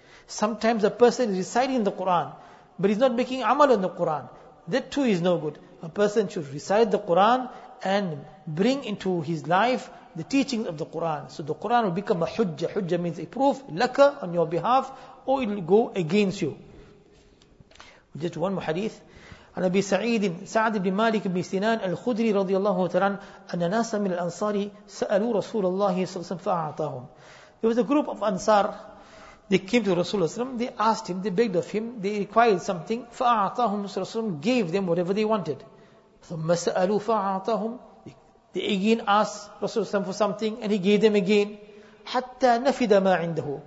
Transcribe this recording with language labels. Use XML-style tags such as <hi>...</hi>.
<en>Sometimes a person is reciting the Qur'an, but he's not making amal on the Qur'an. That too is no good. A person should recite the Qur'an and bring into his life the teachings of the Qur'an. So the Qur'an will become a hujjah. Hujjah means a proof, laka on your behalf, or it will go against you. Just one more hadith.</en> <ar>عن أبي سعيد سعد بن مالك بن سنان الخدري رضي الله تعالى أن ناس من الأنصار سألوا رسول الله صلى الله عليه وسلم فأعطاهم.</ar> <en>There was a group of Ansar. They came to Rasulullah, they asked him, they begged of him, they required something.</en> <ar>فَأَعْطَاهُمْ</ar> <en>Rasulullah gave them whatever they wanted.</en> <ar>ثُمَّ سَأَلُوا فَأَعْطَاهُمْ.</ar> <en>They again asked Rasulullah for something, and he gave them again.</en> <ar>حَتَّى نَفِدَ مَا عِنْدَهُ.</ar>